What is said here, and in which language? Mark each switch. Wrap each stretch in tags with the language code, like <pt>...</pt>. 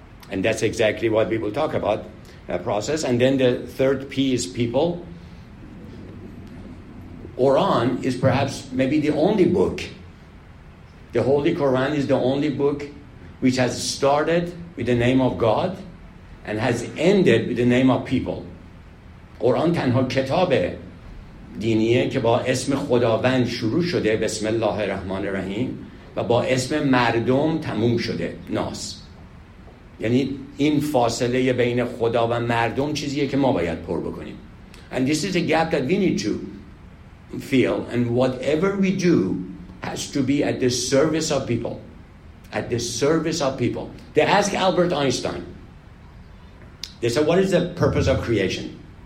<en>And that's exactly what we will talk about, that process. And then the third P is people. Quran is perhaps maybe the only book. The Holy Quran is the only book which has started with the name of God and has ended with the name of people.</en> <fa>Quran تنها کتاب دینیه که با اسم خداوند شروع شده</fa> <ar>بسم الله الرحمن الرحیم</ar> <fa>و با اسم مردم تموم شده ناس. یعنی این فاصله بین خدا و مردم چیزیه که ما باید پر بکنیم.</fa> <en>And this is a gap that we need to fill, and whatever we do has to be at the service of people. At the service of people. They ask Albert Einstein. They said, what is the purpose of creation?</en>